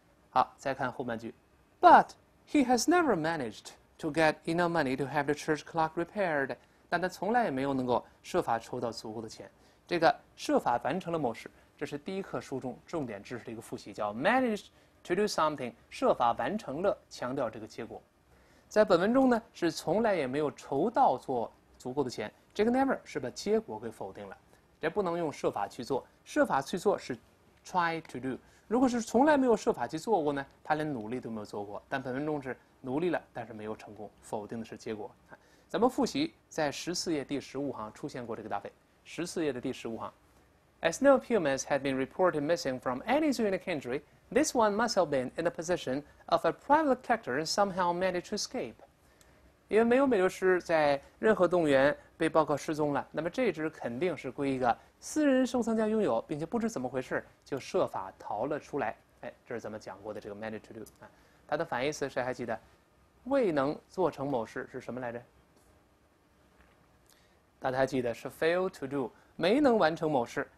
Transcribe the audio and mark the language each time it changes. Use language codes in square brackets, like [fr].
[zh] 好，再看后半句 [en] ，But he has never managed to get enough money to have the church clock repaired。 [zh] 但他从来也没有能够设法筹到足够的钱。这个设法完成了某事，这是第一课书中重点知识的一个复习，叫 [en] managed to do something， [zh] 设法完成了，强调这个结果。在本文中呢，是从来也没有筹到做足够的钱，这个 never 是把结果给否定了，这不能用设法去做，设法去做是 try to do， 如果是从来没有设法去做过呢，他连努力都没有做过，但本文中是努力了但是没有成功，否定的是结果。咱们复习在14页第15行出现过这个搭配，14页的第15行 [en] As no humans had been reported missing from any zoo in the country, this one must have been in the position of a private collector and somehow managed to escape. [zh] 因为没有美洲狮在任何动物园被报告失踪了，那么这只肯定是归一个私人收藏家拥有，并且不知怎么回事就设法逃了出来。哎，这是咱们讲过的这个 managed to do、啊、它的反义词谁还记得，未能做成某事是什么来着，大家记得是 [en] fail to do， [zh] 没能完成某事。